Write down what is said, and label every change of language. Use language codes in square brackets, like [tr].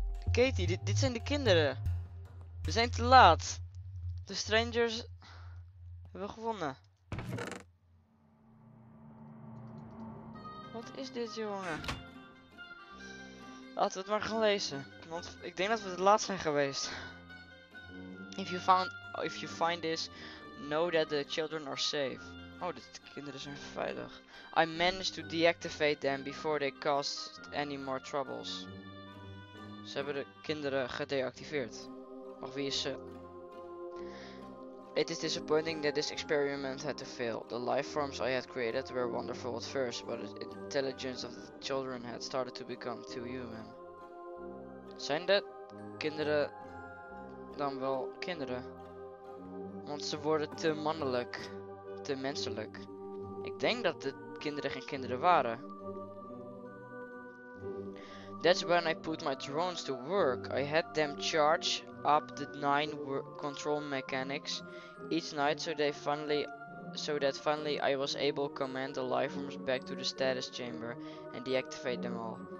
[nl] Katie, dit zijn de kinderen. We zijn te laat. De strangers hebben we gevonden. Wat is dit, jongen? Laten we het maar gaan lezen. Want ik denk dat we te laat zijn geweest. [en] If you find this, know that the children are safe. [nl] Oh, de kinderen zijn veilig. [en] I managed to deactivate them before they caused any more troubles. [nl] Ze hebben de kinderen gedeactiveerd. Maar wie is ze? [en] It is disappointing that this experiment had to fail. The life forms I had created were wonderful at first, but the intelligence of the children had started to become too human. [nl] Zijn dat kinderen dan wel kinderen? Want ze worden te mannelijk, te menselijk. Ik denk dat de kinderen geen kinderen waren. [en] That's when I put my drones to work. I had them charge up the 9 control mechanics each night so they finally so that finally I was able to command the lifeforms back to the status chamber and deactivate them all.